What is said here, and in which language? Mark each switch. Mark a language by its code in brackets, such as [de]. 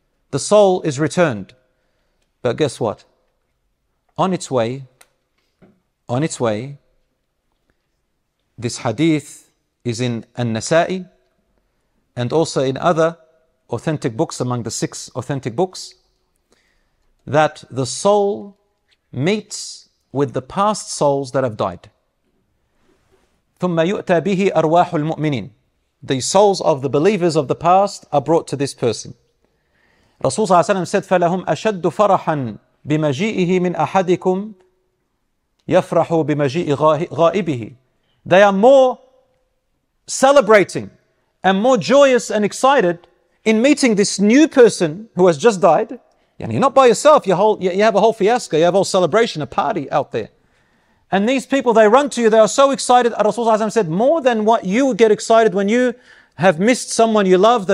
[en] The soul is returned, but guess what? On its way, this hadith is in An-Nasa'i and also in other authentic books, among the six authentic books, that the soul meets with the past souls that have died. [ar] ثُمَّ يُؤْتَى بِهِ أَرْوَاحُ الْمُؤْمِنِينَ. [en] The souls of the believers of the past are brought to this person. Rasulullah ﷺ said, [ar] فَلَهُمْ أَشَدُّ فَرَحًا بِمَجِئِهِ مِنْ أَحَدِكُمْ يَفْرَحُ بِمَجِئِ غَائِبِهِ. [en] They are more celebrating and more joyous and excited in meeting this new person who has just died. And you're not by yourself. You have a whole fiasco. You have a whole celebration, a party out there. And these people, they run to you. They are so excited. Rasulullah said, more than what you would get excited when you have missed someone you love.